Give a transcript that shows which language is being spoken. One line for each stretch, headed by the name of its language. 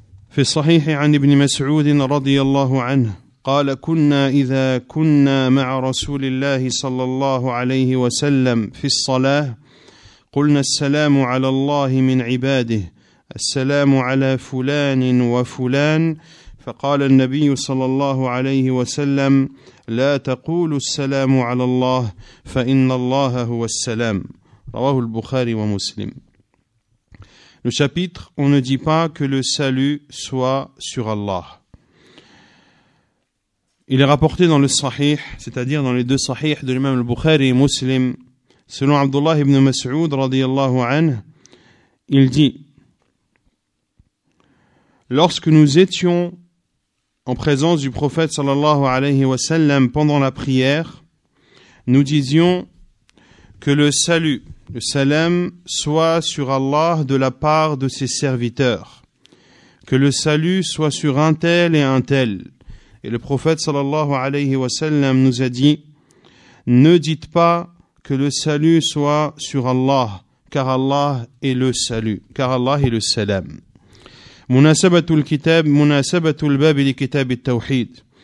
Arabic: Fi sahihi an ibn Mas'ud radiyallahu anhu, qala kunna idha kunna ma'a Rasulillah sallallahu alayhi wa sallam fi s-salah, قلنا السلام على الله من عباده السلام على فلان وفلان، فقال النبي صلى الله عليه وسلم لا تقول السلام على الله فإن الله هو السلام. رواه البخاري ومسلم.
French: Le chapitre on ne dit pas que le salut soit sur Allah. Il est rapporté dans le sahih, c'est-à-dire dans les deux sahih de l'imam al-Bukhari et Muslim. Selon Abdullah ibn Mas'ud radiyallahu anhu, il dit « Lorsque nous étions en présence du prophète sallallahu alayhi wa sallam pendant la prière, nous disions que le salut, le salam, soit sur Allah de la part de ses serviteurs, que le salut soit sur un tel et un tel. » Et le prophète sallallahu alayhi wa sallam nous a dit « Ne dites pas que le salut soit sur Allah, car Allah est le salut, car Allah est le salam.
Arabic: مناسبة الكتاب مناسبة الباب لكتاب التوحيد.